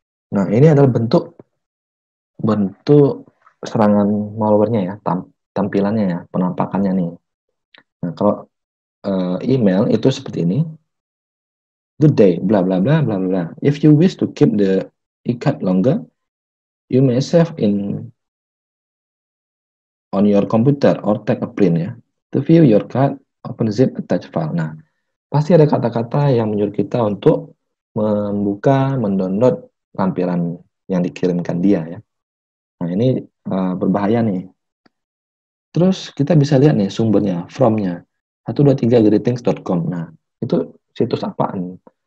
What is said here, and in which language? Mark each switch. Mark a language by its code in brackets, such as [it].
[id] Nah, ini adalah bentuk serangan malware-nya ya, tampilannya ya, penampakannya nih. Nah, kalau email itu seperti ini. [en] Good day, bla bla bla bla bla. If you wish to keep the ikat longer, you may save in on your computer or take a print ya. To view your card, open zip attach file. [id] Nah, pasti ada kata-kata yang menyuruh kita untuk membuka, mendownload lampiran yang dikirimkan dia ya. Nah, ini berbahaya nih. Terus kita bisa lihat nih sumbernya, from-nya. 123greetings.com. Nah, itu situs apaan?